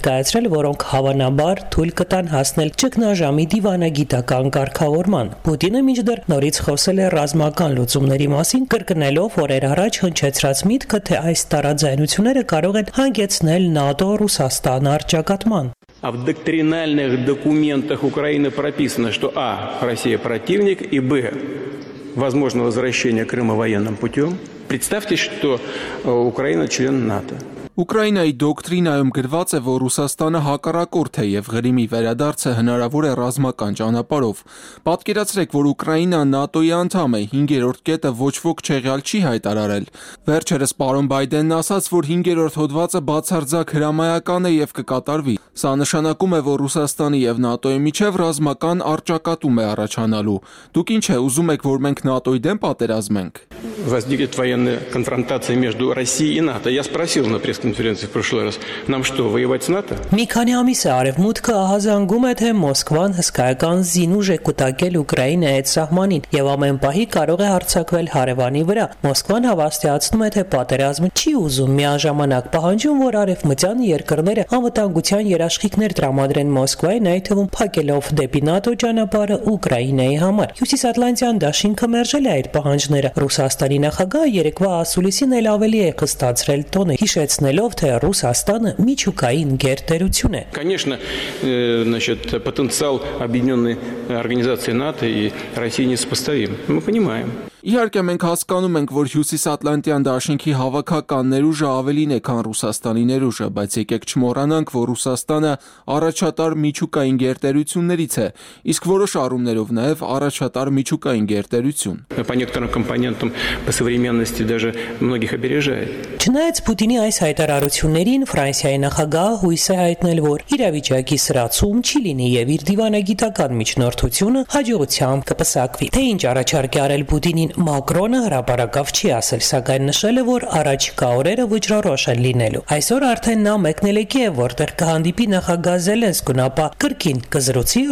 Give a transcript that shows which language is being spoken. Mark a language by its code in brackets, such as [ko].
[hy] կայացրել, որոնք հավանաբար թույլ կտան հասնել ճգնաժամի դիվանագիտական կարգավորման։ Պուտինը մինչդեռ նորից խոսել է ռազմական լուծումների մասին, կրկնելով օրեր առաջ հնչեցրած միտքը, թե այս տարաձայնությունները կարող են հանգեցնել ՆԱՏՕ-Ռուսաստան առջակատման։ [ru] А в доктринальных документах Украины прописано, что А. Россия противник и Б. возможно возвращение Крыма военным путём. Представьте, что Украина член ՆԱՏՕ։ [hy] Ուկրաինայի դոկտրինայում գրված է, որ Ռուսաստանը հակառակորդ է եւ Ղրիմի վերադարձը հնարավոր է ռազմական ճանապարհով։ Պատկերացրեք, որ Ուկրաինան ՆԱՏՕ-ի անդամ է, 5-րդ կետը ոչ ոք չեղյալ չի հայտարարել։ Վերջերս պարոն Բայդենն ասաց, որ 5-րդ հոդվածը բացարձակ հրամայական է եւ կկատարվի։ Սա նշանակում է, որ Ռուսաստանի եւ ՆԱՏՕ-ի միջև ռազմական արճակատում է առաջանալու։ Դուք ինչ է ուզում եք, որ մենք ՆԱՏՕ-ի դեմ պատերազմենք։ [ru] Возникнет военная конфронтация между Россией и НАТО. Я спросил на пресс-конференции в прошлый раз: нам что, воевать с НАТО? [hy] Մի քանի ամիս է արևմուտքը ահազանգում է, թե Մոսկվան հսկայական զինուժ է կուտակել Ուկրաինայի սահմանին եւ ամեն պահի կարող է հարձակվել հարևանի վրա։ Մոսկվան հավաստիացնում է, թե պատերազմը չի ուզում, միաժամանակ պահանջում, որ արևմտյան երկրները անվտանգության երաշխիքներ տրամադրեն Մոսկվային, այդ թվում փակելով դեպի ՆԱՏՕ ճանապարհը Ուկրաինայի համար։ Հյուսիսատլանտյան դաշինքը մերժել է այդ պահանջները։ Ռուսաստանի նախագահը երեկվա ասուլիսին էլ ավելի է խստացրել տոնը, հիշեցնելով, թե Ռուսաստանը միջուկային գերտերություն է։ [ru] Конечно, значит, потенциал объединённой организации НАТО и России несопоставим. Мы понимаем. [hy] Իհարկե մենք հասկանում ենք, որ Հյուսիսատլանտյան դաշինքի հավաքական ներուժը ավելին է, քան Ռուսաստանի ներուժը, բայց եկեք չմոռանանք, որ Ռուսաստանը առաջատար միջուկային գերտերություններից է, իսկ որոշ առումներով նաև առաջատար միջուկային գերտերություն։ [ru] По некоторым компонентам по современности даже многих опережает։ [hy] Չնայած Պուտինի այս հայտարարություններին, Ֆրանսիայի նախագահը հույս է հայտնել, որ իրավիճակի սրացում չի լինի եւ իր դիվանագիտական միջնորդությունը հաջողությամբ կփսակվի։ Թե ինչ առաջարկի արել Պուտինը, Մակրոնը հրապարակավ չի ասել, սակայն նշել է, որ առաջկա օրերը վճռորոշ են լինելու։ Այսօր արդեն նա մեկնել է Կիև, որտեղ կհանդիպի նախագահ Զելենսկին, ապա Կրկին կզրուցի